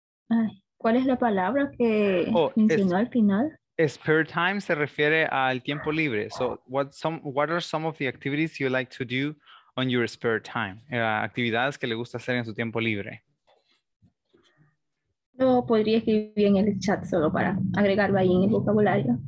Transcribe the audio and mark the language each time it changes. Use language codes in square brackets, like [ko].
[es] ¿Cuál es la palabra que mencionó al final? Spare time se refiere al tiempo libre. [en] So what are some of the activities you like to do on your spare time? [es] Actividades que le gusta hacer en su tiempo libre. Lo podría escribir en el chat solo para agregarlo ahí en el vocabulario.